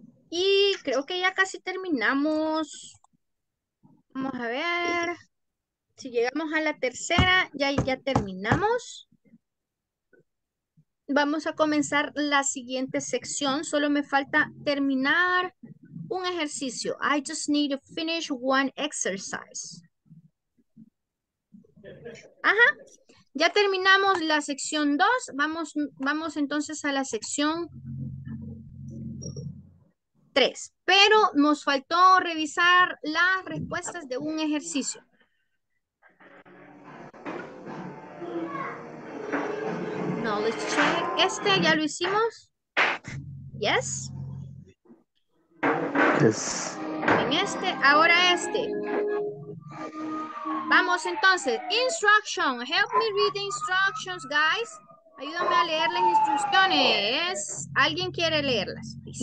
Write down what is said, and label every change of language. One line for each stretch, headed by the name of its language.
Spanish: Y creo que ya casi terminamos. Vamos a ver... Si llegamos a la tercera, ya terminamos. Vamos a comenzar la siguiente sección. Solo me falta terminar un ejercicio.
English: I just need to finish one exercise. Ajá.
Spanish: Ya terminamos la sección 2. Vamos entonces a la sección 3. Pero nos faltó revisar las respuestas de un ejercicio.
English: Knowledge check.
Spanish: Este ya lo hicimos. Yes.
English: Yes.
Spanish: En este, ahora este. Vamos entonces. Instruction.
English: Help me read the instructions, guys.
Spanish: Ayúdame a leer las instrucciones. ¿Alguien quiere leerlas?